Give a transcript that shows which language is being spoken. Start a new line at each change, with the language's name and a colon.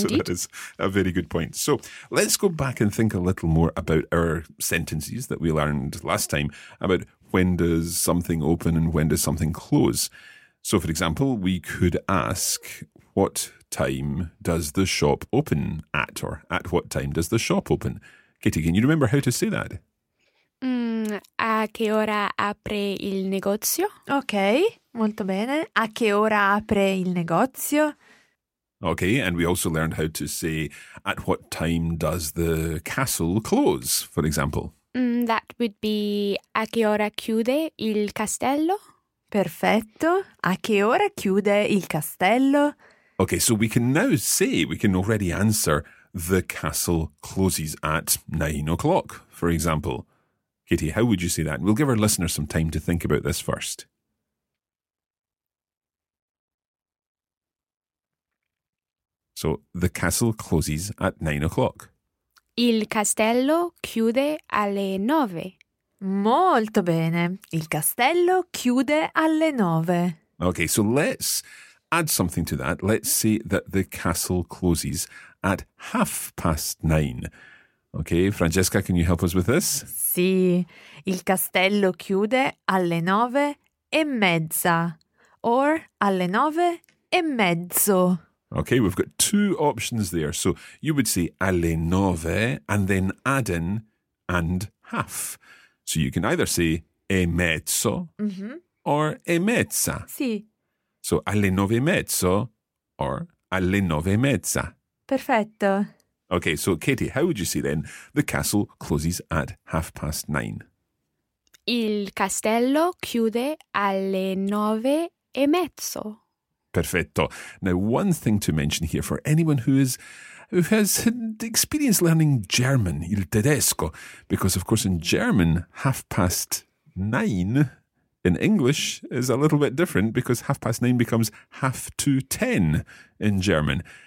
English: So that is a very good point. So let's go back and think a little more about our sentences that we learned last time about when does something open and when does something close. So, for example, we could ask, what time does the shop open at? Or at what time does the shop open? Katie, can you remember how to say that?
Italian: A che ora apre il negozio? Ok, molto bene. A che ora apre il negozio?
English: Ok, and we also learned how to say at what time does the castle close, for example.
Italian: That would be a che ora chiude il castello? Perfetto. A che ora chiude il castello?
English: Ok, so we can now say, we can already answer, the castle closes at 9 o'clock, for example. Katie, how would you say that? We'll give our listeners some time to think about this first. So So the castle closes at 9 o'clock.
Italian: Il castello chiude alle nove. Molto bene. Il castello chiude alle nove.
English: Okay, so let's add something to that. Let's say that the castle closes at 9:30. Okay, Francesca, can you help us with this?
Italian: Sì, il castello chiude alle 9:30 or alle 9:30.
English: Okay, we've got two options there. So you would say alle 9 and then add in and half. So you can either say e mezzo or e mezza.
Italian: Sì.
English: So alle 9:30 or alle 9:30.
Italian: Perfetto.
English: Okay, so Katie, how would you say then the castle closes at 9:30?
Italian: Il castello chiude alle 9:30. Perfetto.
English: Now, one thing to mention here for anyone who has experience learning German,
Italian: il tedesco,
English: because of course in German, 9:30 in English is a little bit different because 9:30 becomes 9:30 in German.